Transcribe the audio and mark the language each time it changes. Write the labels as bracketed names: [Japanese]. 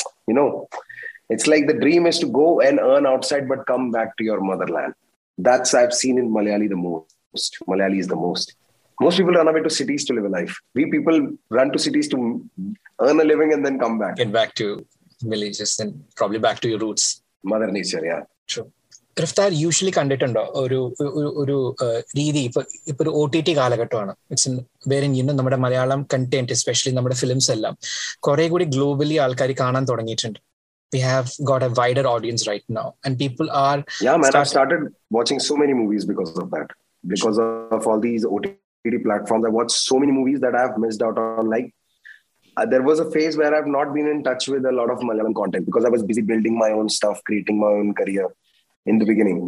[English] You know, it's like the dream is to go and earn outside but come back to your motherland. That's I've seen in Malayali the most. Malayali is the most. Most people run away to cities to live a life. We people run to cities to earn a living and then come back. Get back to villages and probably back to your roots. Mother nature, yeah. True. [Malayalam] Raftaar usually കണ്ടിട്ടുണ്ടോ ഒരു രീതി ഇപ്പൊ ഒരു O T T കാലഘട്ടമാണ് it's വേറെ ഇന്ന് നമ്മുടെ Malayalam content especially നമ്മുടെ ഫിലിംസ് എല്ലാം കുറെ കൂടി ഗ്ലോബലി ആൾക്കാർ കാണാൻ തുടങ്ങിയിട്ടുണ്ട്. [English] We have got a wider audience right now and people are... Yeah, man, I started watching so many movies because of that. Because of all these OTT platforms, I watched so many movies that I have missed out on. Like, there was a phase where I've not been in touch with a lot of Malayalam content because I was busy building my own stuff, creating my own career in the beginning.